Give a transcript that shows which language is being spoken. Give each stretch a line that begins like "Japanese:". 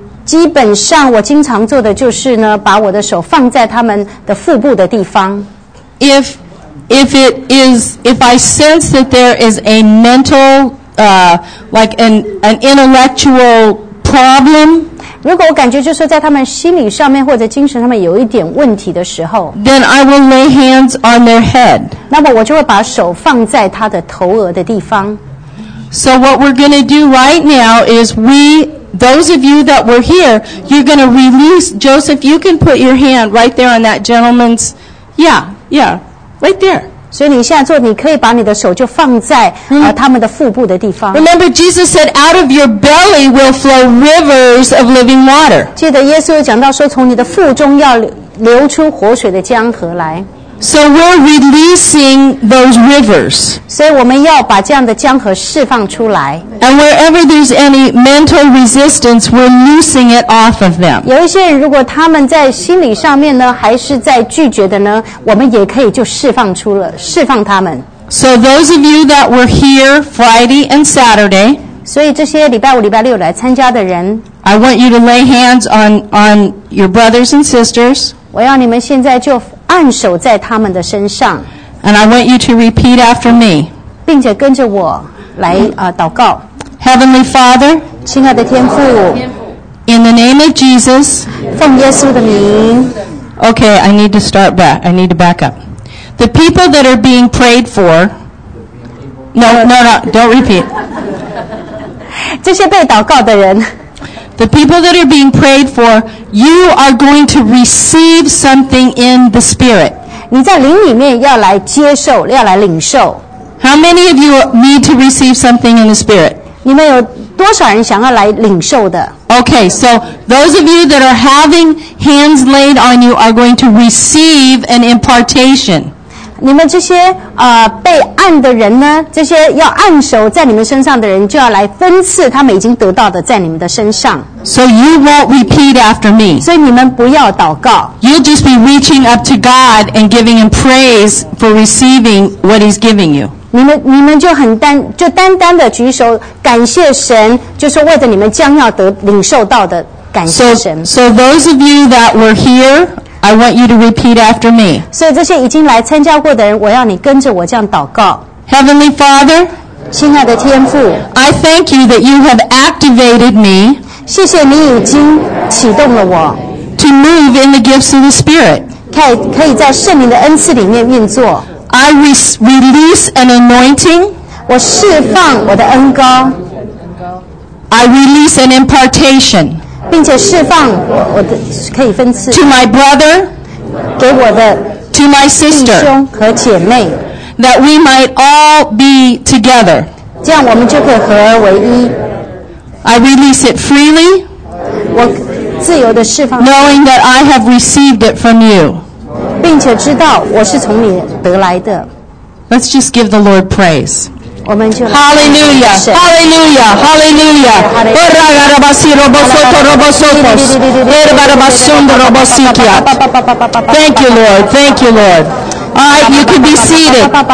Chinese: 基本上我经常做的就是呢，把我的手放在他们的腹部的地方
English: If I sense that there is a mental, like an intellectual problem.
Chinese: 如果我感觉就是说在他们心理上面或者精神上面有一点问题的时候
English: Then I will lay hands on their head
Chinese: 那么我就会把手放在他的头额的地方
English: So what we're going to do right now is those of you that were here you're going to release Joseph you can put your hand right there on that gentleman's yeah right there
Chinese: 所以你现在做你可以把你的手就放在他们的腹部的地方
English: Remember Jesus said out of your belly will flow rivers of living water
Chinese: 记得耶稣讲到说从你的腹中要流出活水的江河来
English: So we're releasing those rivers
Chinese: 所以我们要把这样的江河释放出来
English: And wherever there's any mental resistance we're loosing it off of them
Chinese: 有一些人如果他们在心理上面呢还是在拒绝的呢我们也可以就释放他们
English: So those of you that were here Friday and Saturday,
Chinese: 所以这些礼拜五、礼拜六来参加的人
English: I want you to lay hands on your brothers and sisters.
Chinese: 我要你们现在就按手在他们的身上
English: And I want you to repeat after me.
Chinese: 并且跟着我来祷告
English: Heavenly Father,
Chinese: 亲爱的天父
English: In the name of Jesus,
Chinese: 奉耶稣的名
English: Okay, I need to start back. I need to back up. The people that are being prayed for, no, don't repeat.
Chinese: 这些被祷告的人
English: The people that are being prayed for, you are going to receive something in the spirit.
Chinese: 你在灵里面要来接受，要来领受。
English: How many of you need to receive something in the spirit?
Chinese: 你们有多少人想要来领受的？
English: Okay, so those of you that are having hands laid on you are going to receive an impartation.
Chinese: 你们这些被按的人呢，这些要按手在你们身上的人，就要来分赐他们已经得到的在你们的身上。
English: So you won't repeat after me.
Chinese: 所以你们不要祷告。
English: You'll just be reaching up to God and giving Him praise for receiving what He's giving you.
Chinese: 你们就很单，就单单的举手感谢神，就是为着你们将要得领受到的感谢神。
English: So those of you that were here. I want you to repeat after me.
Chinese: 所以这些已经来参加过的人，我要你跟着我这样祷告。
English: Heavenly Father,
Chinese: 亲爱的天父
English: ，I thank you that you have activated me.
Chinese: 谢谢你已经启动了我。
English: To move in the gifts of the Spirit.
Chinese: 可以在圣灵的恩赐里面运作。
English: I release an anointing.
Chinese: 我释放我的恩膏。
English: I release an impartation.
Chinese: 并且释放 我的可以分赐
English: to my brother
Chinese: 给我的
English: to my sister
Chinese: 弟兄和姐妹
English: that we might all be together
Chinese: 这样我们就可以合而为一
English: I release it freely
Chinese: 我自由的释放
English: knowing that I have received it from you
Chinese: 并且知道我是从你得来的
English: Let's just give the Lord praise. Hallelujah, Hallelujah, Hallelujah. Ora garabasi robosoto robosotos. Erba rabasundo robosikia. Thank you, Lord. Thank you, Lord. All right, you can be seated.